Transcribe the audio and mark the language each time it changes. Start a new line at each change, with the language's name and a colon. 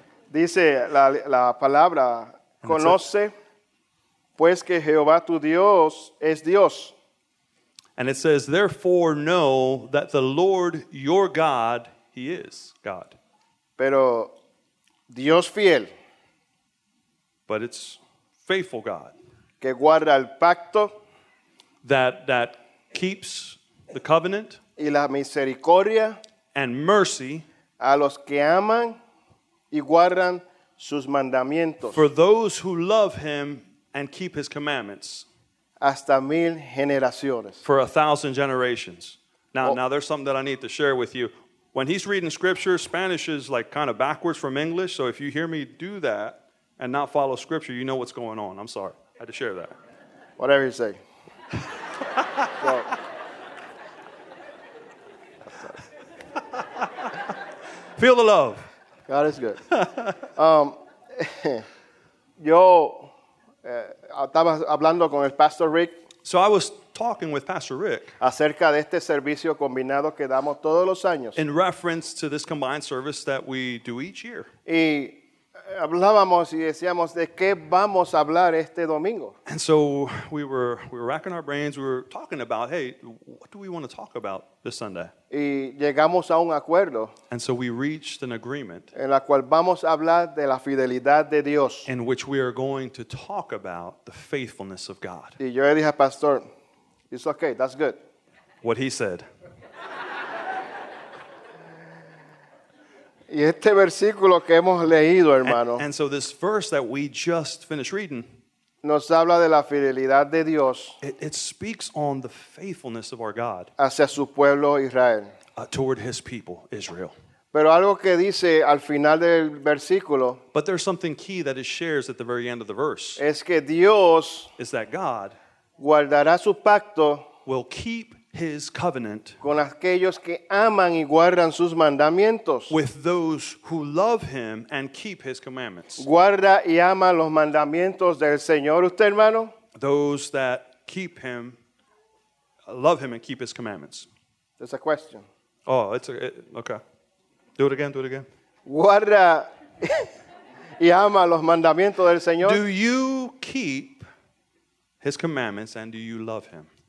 Spanish: Dice la palabra, conoce, pues que Jehová tu Dios es Dios.
English: And it says, therefore know that the Lord your God, he is God.
Spanish: Pero Dios fiel.
English: But it's faithful God.
Spanish: Que guarda el pacto.
English: That keeps the covenant.
Spanish: Y la misericordia.
English: And mercy.
Spanish: A los que aman y guardan sus mandamientos.
English: For those who love him and keep his commandments.
Spanish: Hasta mil generaciones.
English: For 1,000 generations. Now there's something that I need to share with you. When he's reading scripture, Spanish is like kind of backwards from English. So if you hear me do that and not follow scripture, you know what's going on. I'm sorry. I had to share that. Whatever you say. Feel the love. God is good.
Spanish: estaba hablando con el Pastor Rick.
English: So I was talking with Pastor Rick
Spanish: acerca de este servicio combinado que damos todos los años.
English: In reference to this combined service that we do each year.
Spanish: Y hablábamos y decíamos de qué vamos a hablar este domingo.
English: And so we were racking our brains. We were talking about, hey, what do we want to talk about this Sunday?
Spanish: Y llegamos a un acuerdo.
English: And so we reached an agreement.
Spanish: En la cual vamos a hablar de la fidelidad de Dios.
English: In which we are going to talk about the faithfulness of God.
Spanish: Y yo le dije a Pastor,
English: it's okay, that's good. What he said.
Spanish: Y este versículo que hemos leído, hermano.
English: And so this verse that we just finished reading.
Spanish: Nos habla de la fidelidad de Dios.
English: It speaks on the faithfulness of our God.
Spanish: Hacia su pueblo Israel.
English: Toward his people, Israel.
Spanish: Pero algo que dice al final del versículo.
English: But there's something key that it shares at the very end of the verse.
Spanish: Es que Dios.
English: Is that God.
Spanish: Guardará su pacto.
English: Will keep His covenant
Spanish: con aquellos que aman y guardan sus mandamientos.
English: With those who love Him and keep His commandments.
Spanish: Guarda y ama los mandamientos del Señor, usted, hermano.
English: Those that keep Him, love Him and keep His commandments. There's a question. Oh, it's a, okay. Do it again, do it again.
Spanish: Guarda y ama los mandamientos del Señor.
English: Do you keep His commandments and do you love Him?